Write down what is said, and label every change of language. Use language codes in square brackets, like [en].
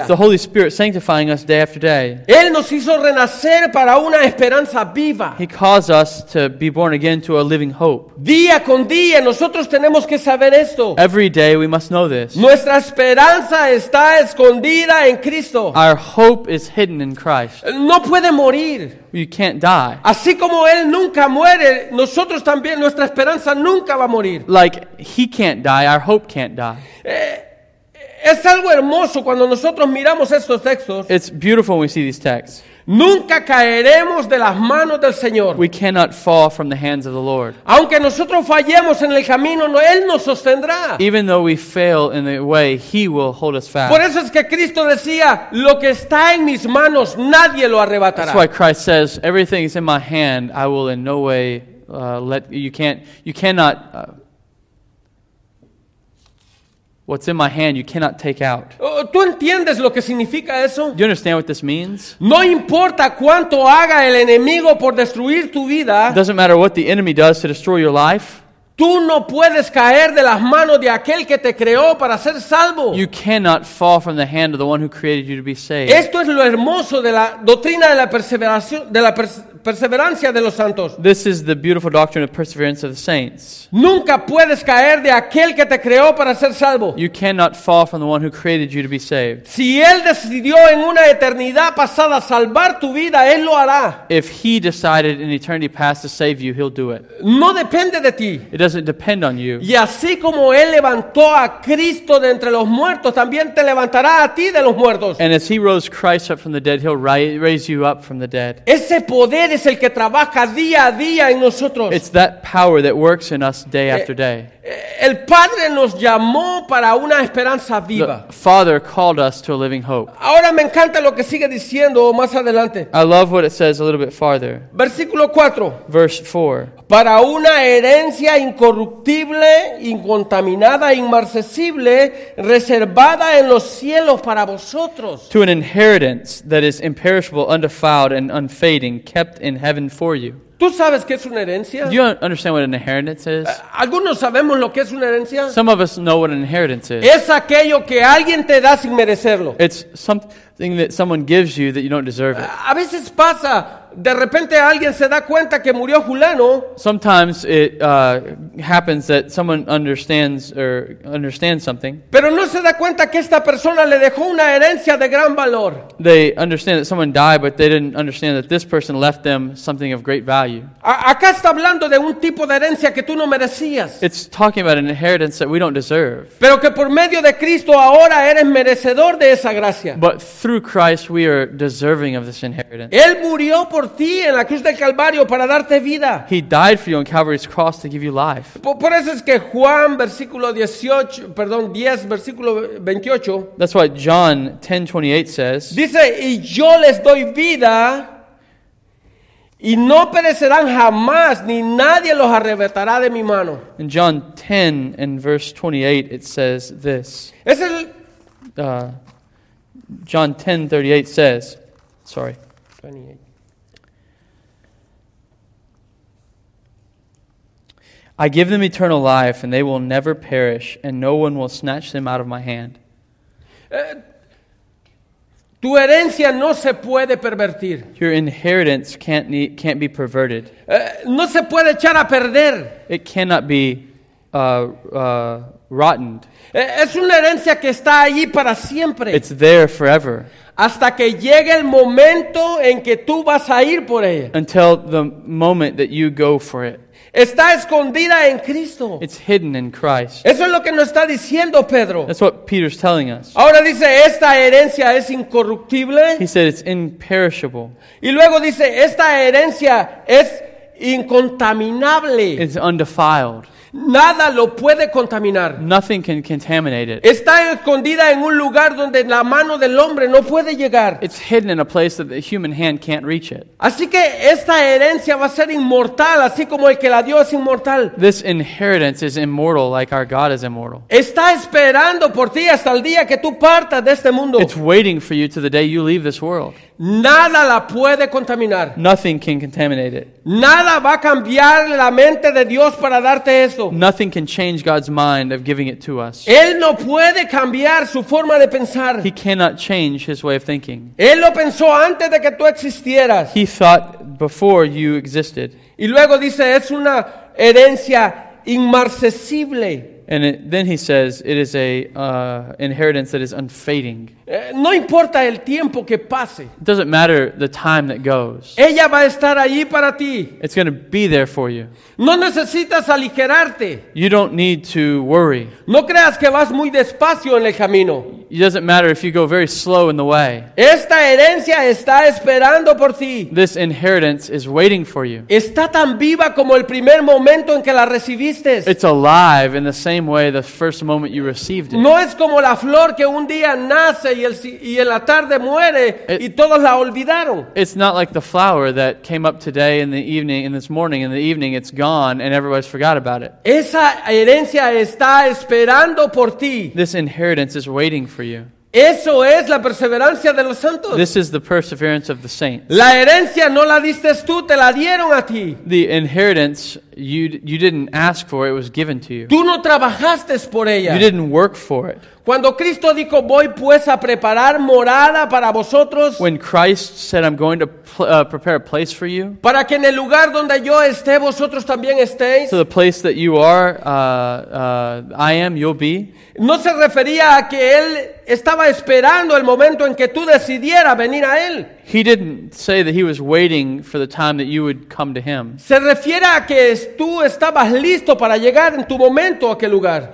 [en] It's the Holy Spirit sanctifying us day after day. [es] Él nos hizo renacer para una esperanza viva. [en] He caused us to be born again to a living hope. [es] Día con día nosotros tenemos que saber esto. [en] Every day we must know this. [es] Nuestra esperanza está escondida en Cristo. [en] Our hope is hidden in Christ. [es] No puede morir. [en] You can't die. [es] Así como él nunca muere, nosotros también nuestra esperanza nunca va a morir. [en] Like he can't die, our hope can't die. [es] Es algo hermoso cuando nosotros miramos estos textos. [en] It's beautiful when we see these texts. [es] Nunca caeremos de las manos del Señor. [en] We cannot fall from the hands of the Lord. [es] Aunque nosotros fallemos en el camino, Él nos sostendrá. [en] Even though we fail in the way, He will hold us fast. [es] Por eso es que Cristo decía, lo que está en mis manos, nadie lo arrebatará. [en] That's why Christ says, everything is in my hand, I will in no way let, you cannot... What's in my hand, you cannot take out. [es] ¿Tú entiendes lo que significa eso? [en] Do you understand what this means? [es] No importa cuánto haga el enemigo por destruir tu vida. [en] It doesn't matter what the enemy does to destroy your life. [es] Tú no puedes caer de las manos de aquel que te creó para ser salvo. [en] You cannot fall from the hand of the one who created you to be saved. [es] Esto es lo hermoso de la doctrina de la perseveración, de la perseverancia de los santos. [en] This is the beautiful doctrine of perseverance of the saints. [es] Nunca puedes caer de aquel que te creó para ser salvo. [en] You cannot fall from the one who created you to be saved. [es] Si él decidió en una eternidad pasada salvar tu vida, él lo hará. [en] If he decided in eternity past to save you, he'll do it. [es] No depende de ti. [en] It doesn't depend on you. [es] Y así como él levantó a Cristo de entre los muertos, también te levantará a ti de los muertos. [en] And as he rose Christ up from the dead, he'll raise you up from the dead. [es] Ese poder es el que trabaja día a día en nosotros. [en] It's that power that works in us day after day. [es] El Padre nos llamó para una esperanza viva. [en] The Father called us to a living hope. [es] Ahora me encanta lo que sigue diciendo más adelante. [en] I love what it says a little bit farther. [es] Versículo 4. [en] Verse 4. [es] Para una herencia incorruptible, incontaminada, inmarcesible, reservada en los cielos para vosotros. [en] To an inheritance that is imperishable, undefiled, and unfading, kept in heaven for you. [es] ¿Tú sabes qué es una herencia? [en] Do you understand what an inheritance is? [es] ¿Algunos sabemos lo que es una herencia? [en] Some of us know what an inheritance is. [es] Es aquello que alguien te da sin merecerlo. [en] It's something that someone gives you that you don't deserve it. [es] A veces pasa, de repente alguien se da cuenta que murió fulano. [en] Sometimes it happens that someone understands something. [es] Pero no se da cuenta que esta persona le dejó una herencia de gran valor. [en] They understand that someone died, but they didn't understand that this person left them something of great value. [es] Acá está hablando de un tipo de herencia que tú no merecías. [en] It's talking about an inheritance that we don't deserve. [es] Pero que por medio de Cristo ahora eres merecedor de esa gracia. [en] But through Christ we are deserving of this inheritance. [es] Él murió por ti en la cruz del Calvario para darte vida. [en] He died for you on Calvary's cross to give you life. [es] Por eso es que Juan versículo 18, perdón, 10 versículo 28. [en] That's what John 10:28 says. [es] Dice, y yo les doy vida y no perecerán jamás ni nadie los arrebatará de mi mano. [en] In John 10 and verse 28 it says this. [es] Es el [en] John 10:38 says. Sorry. 28. I give them eternal life and they will never perish and no one will snatch them out of my hand. [es] Tu herencia no se puede pervertir. [en] Your inheritance can't be perverted. [es] No se puede echar a perder. [en] It cannot be rotten. [es] Es una herencia que está allí para siempre. [en] It's there forever. [es] Hasta que llegue el momento en que tú vas a ir por ella. [en] Until the moment that you go for it. [es] Está escondida en Cristo. [en] It's hidden in Christ. [es] Eso es lo que nos está diciendo Pedro. [en] That's what Peter's telling us. [es] Ahora dice, esta herencia es incorruptible. [en] He said it's imperishable. [es] Y luego dice, esta herencia es incontaminable. [en] It's undefiled. [es] Nada lo puede contaminar. [en] Nothing can contaminate it. [es] Está escondida en un lugar donde la mano del hombre no puede llegar. [en] It's hidden in a place that the human hand can't reach it. [es] Así que esta herencia va a ser inmortal, así como el que la dio es inmortal. [en] This inheritance is immortal, like our God is immortal. [es] Está esperando por ti hasta el día que tú partas de este mundo. [en] It's waiting for you to the day you leave this world. [es] Nada la puede contaminar. [en] Nothing can contaminate it. [es] Nada va a cambiar la mente de Dios para darte esto. [en] Nothing can change God's mind of giving it to us. [es] Él no puede cambiar su forma de pensar. [en] He cannot change his way of thinking. [es] Él lo pensó antes de que tú existieras. [en] He thought before you existed. [es] Y luego dice, es una herencia inmarcesible. [en] And then he says, it is an inheritance that is unfading. [es] No importa el tiempo que pase. [en] It doesn't matter the time that goes. [es] Ella va a estar allí para ti. [en] It's going to be there for you. [es] No necesitas aligerarte. [en] You don't need to worry. [es] No creas que vas muy despacio en el camino. [en] It doesn't matter if you go very slow in the way. [es] Esta herencia está esperando por ti. [en] This inheritance is waiting for you. [es] Está tan viva como el primer momento en que la recibiste. [en] It's alive in the same way the first moment you received it. [es] No es como la flor que un día nace. Y en la tarde muere y todos la olvidaron. [en] It's not like the flower that came up today in the evening, in this morning, in the evening, it's gone and everybody's forgot about it. [es] Esa herencia está esperando por ti. [en] This inheritance is waiting for you. [es] Eso es la perseverancia de los santos. [en] This is the perseverance of the saints. [es] La herencia no la diste tú, te la dieron a ti. [en] The inheritance you didn't ask for, it was given to you. [es] Tú no trabajaste por ella. [en] You didn't work for it. [es] Cuando Cristo dijo, voy pues a preparar morada para vosotros. [en] When Christ said, I'm going to prepare a place for you. [es] Para que en el lugar donde yo esté, vosotros también estéis. [en] So the place that you are, I am, you'll be. [es] No se refería a que Él estaba esperando el momento en que tú decidieras venir a Él. [en] He didn't say that he was waiting for the time that you would come to him. [es] Se refiere a que tú estabas listo para llegar en tu momento a aquel lugar.